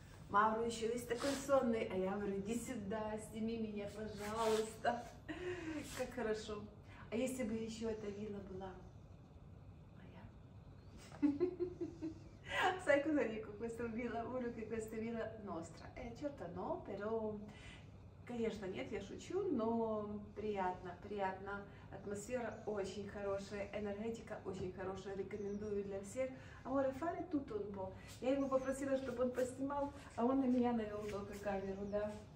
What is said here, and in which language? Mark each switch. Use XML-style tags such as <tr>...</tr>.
<ru>Мавру еще весь такой сонный, а я говорю, иди сюда, сними меня, пожалуйста. Как хорошо. А если бы еще эта вилла была моя?</ru> <it>Sai cosa dico? Questa villa, voglio che questa villa nostra. Certo no, però,</it> <ru>конечно, нет, я шучу, но приятно, приятно. Атмосфера очень хорошая, энергетика очень хорошая, рекомендую для всех.</ru> <it>Amore, fare tutto un po'.</it> <ru>Я его попросила, чтобы он поснимал, а он на меня навел только камеру, да.</ru>